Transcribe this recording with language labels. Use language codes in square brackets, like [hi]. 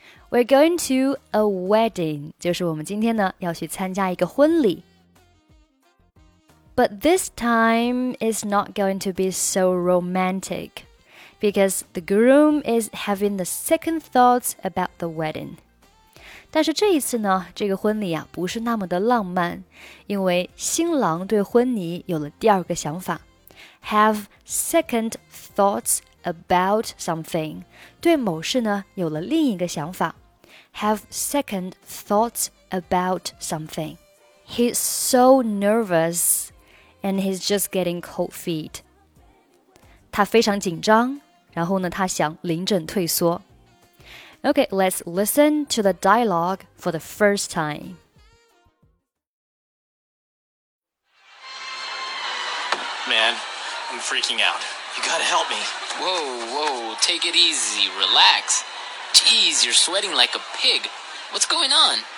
[en] We're going to a wedding, [zh] 就是我们今天呢要去参加一个婚礼。 [en] But this time is not going to be so romantic, because the groom is having the second thoughts about the wedding. [zh] 但是这一次呢，这个婚礼啊不是那么的浪漫，因为新郎对婚礼有了第二个想法。 [en] Have second thoughts about something, [zh] 对某事呢有了另一个想法。 [en] Have second thoughts about something. He's so nervous, and he's just getting cold feet. [zh] 他非常紧张，然后呢，他想临阵退缩。 [en] Okay, let's listen to the dialogue for the first time. Man, I'm freaking out. You gotta help me. Whoa, take it easy, relax. Jeez, you're sweating like a pig. What's going on?